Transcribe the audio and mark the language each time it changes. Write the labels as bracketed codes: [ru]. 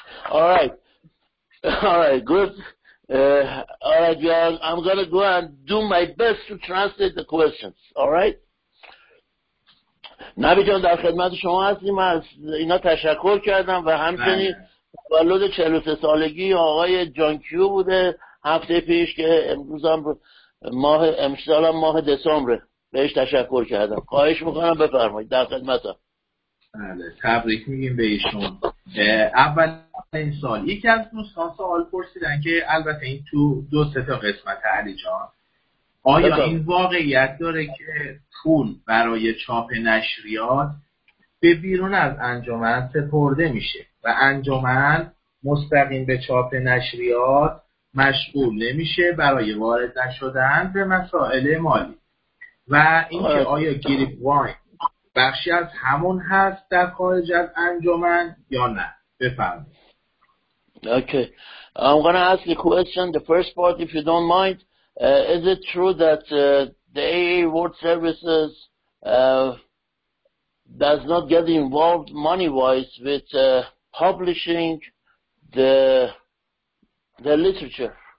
[en] all right, good. All right, y'all. I'm gonna go and do my best to translate the questions. All right. [fa] نبی جان در خدمت شما هستیم. از اینا تشکر کردم و همچنین تولد 43 سالگی آقای جان کیو بوده هفته پیش که امسال هم ماه دسامبره، بهش تشکر کردم. خواهش میکنم بفرمایید، در خدمتم. بله، تبریک میگیم به ایشون. اول این سال، یکی از دوستان سوال پرسیدن که البته این تو دو سه تا قسمت علی جان، آیا این واقعیت داره که پول برای چاپ نشریات به بیرون از انجمن سپرده میشه و انجمن مستقیم به چاپ نشریات مشغول نمیشه برای وارد نشدن به مسائل مالی، و اینکه آیا گریپ واین بخشی از همون هست در خارج از انجمن یا نه؟ بفرمایید. [en] Okay. I'm going to ask you a question, the first part, if you don't mind. Is it true that the AA World Services does not get involved money-wise with publishing the literature?